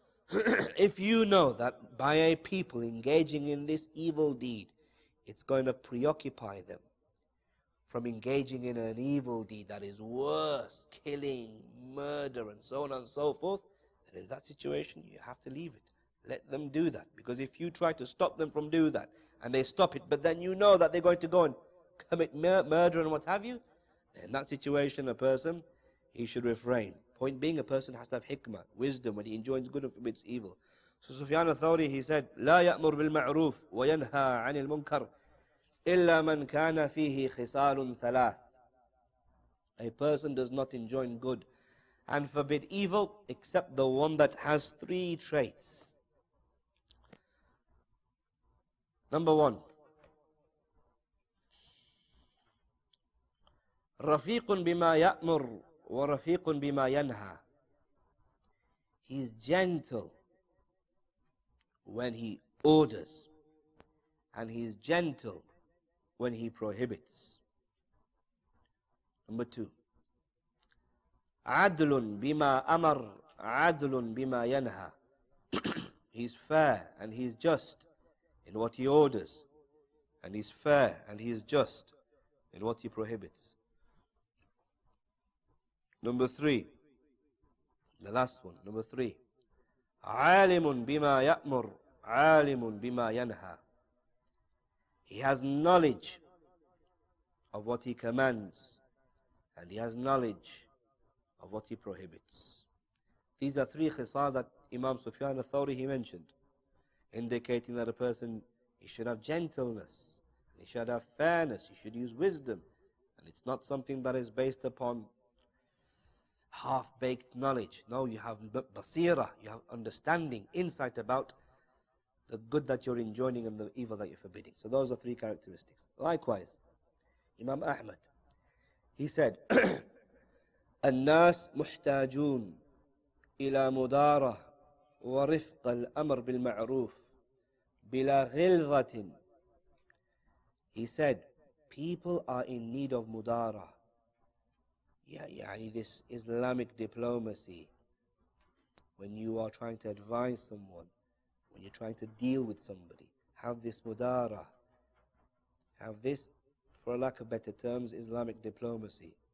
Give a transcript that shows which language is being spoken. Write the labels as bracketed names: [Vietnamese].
[English] If you know that by a people engaging in this evil deed, it's going to preoccupy them from engaging in an evil deed that is worse, killing, murder, and so on and so forth, then in that situation, you have to leave it. Let them do that. Because if you try to stop them from doing that, and they stop it, but then you know that they're going to go and commit murder and what have you, then in that situation, a person, he should refrain. Point being, a person has to have hikmah, wisdom, when he enjoins good and forbids evil. So Sufyan al-Thawri, he said, [Arabic] لا يأمر بالمعروف وينهى عن المنكر إلا من كان فيه خصال ثلاث. [English] A person does not enjoin good and forbid evil except the one that has three traits. Number one, [Arabic] رفيق بما يأمر ورفيق بما ينهى. [English] He's gentle when he orders, and he's gentle when he prohibits. Number two, [Arabic] عدل بما أمر عدل بما ينهى. [English] He's fair and he's just in what he orders, and he's fair and he's just in what he prohibits. Number three, the last one, number three, [Arabic] عالم بما يأمر عالم بما ينهى. [English] He has knowledge of what he commands, and he has knowledge of what he prohibits. These are three khisal that Imam Sufyan al-Thawri, he mentioned, indicating that a person, he should have gentleness, and he should have fairness, he should use wisdom, and it's not something that is based upon half-baked knowledge. No, you have basira, you have understanding, insight about the good that you're enjoining and the evil that you're forbidding. So those are three characteristics. Likewise, Imam Ahmad, he said, [Arabic] الناس محتاجون إلى مدارة ورفق الأمر بالمعروف بلا غلظة. [English] He said, people are in need of mudara. This Islamic diplomacy, when you are trying to advise someone, when you're trying to deal with somebody, have this mudara, have this, for lack of better terms, Islamic diplomacy.